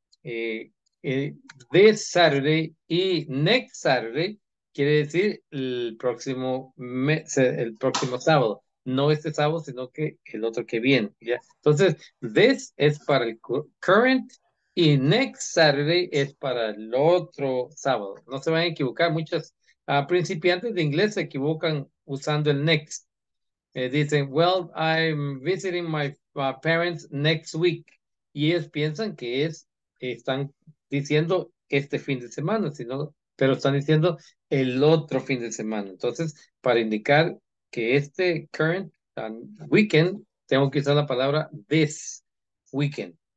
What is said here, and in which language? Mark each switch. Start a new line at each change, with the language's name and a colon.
English: This Saturday
Spanish: y next Saturday quiere decir el próximo sábado. No este sábado, sino que el otro que viene. ¿Ya? Entonces, this es para el current y next Saturday es para el otro sábado. No se vayan a equivocar. Muchos principiantes de inglés se equivocan usando el next. Dicen,
English: well, I'm visiting my parents next week.
Spanish: Y ellos piensan que están diciendo este fin de semana, sino, pero están diciendo el otro fin de semana. Entonces, para indicar que este current weekend, tengo que usar la palabra this weekend.